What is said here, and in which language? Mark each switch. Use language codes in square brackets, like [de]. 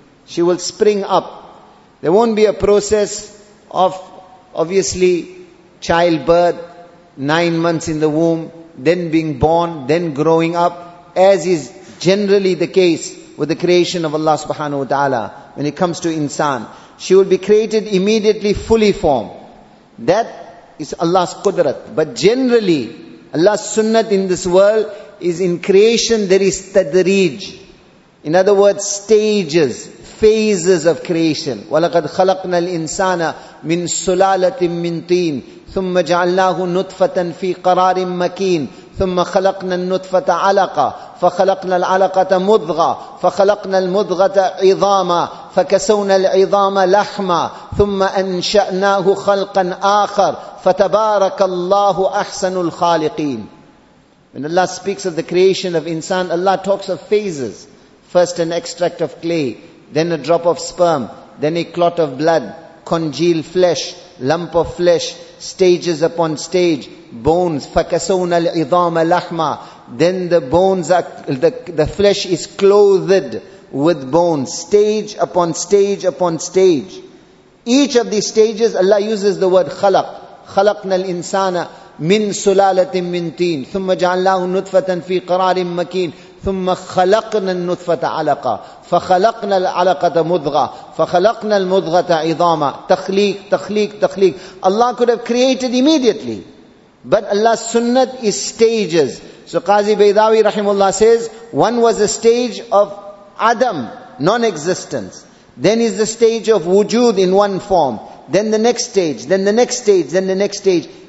[en] She will spring up. There won't be a process of, obviously, childbirth, 9 months in the womb, then being born, then growing up, as is generally the case with the creation of Allah subhanahu wa ta'ala. When it comes to insan, she will be created immediately, fully formed. That is Allah's qudrat. But generally, Allah's sunnat in this world is in creation there is tadrij. In other words, stages, phases of creation. [ar] وَلَقَدْ خَلَقْنَا الْإِنسَانَ مِنْ سُلَالَةٍ مِنْ طِينٍ ثُمَّ جَعَلْنَاهُ نُطْفَةً فِي قَرَارٍ مَكِينٍ ثم خلقنا النطفة علقة فخلقنا العلقة مضغة فخلقنا المضغة عظاما فكسونا العظام لحما ثم أنشأناه خلقا آخر فتبارك الله أحسن الخالقين. [en] When Allah speaks of the creation of insan, Allah talks of phases. First an extract of clay, then a drop of sperm, then a clot of blood, congealed flesh, lump of flesh, stages upon stage, bones, [ar] فَكَسَوْنَ الْعِظَامَ لَحْمَةً. [en] Then the bones, the flesh is clothed with bones, stage upon stage upon stage. Each of these stages, Allah uses the word khalaq. [ar] Khalaqnal insana min sulalatin min teen. Thumma ja'allahu nutfatan fi qararin makin. ثم خلقنا النطفة علقة فخلقنا العلقة مضغة فخلقنا المضغة عظاما تخليق تخليق تخليق. [en] Allah could have created immediately, but Allah's sunnah is stages. So Qazi Baydawi rahimullah says, one was a stage of Adam, non-existence. Then is the stage of wujud in one form. Then the next stage, then the next stage, then the next stage.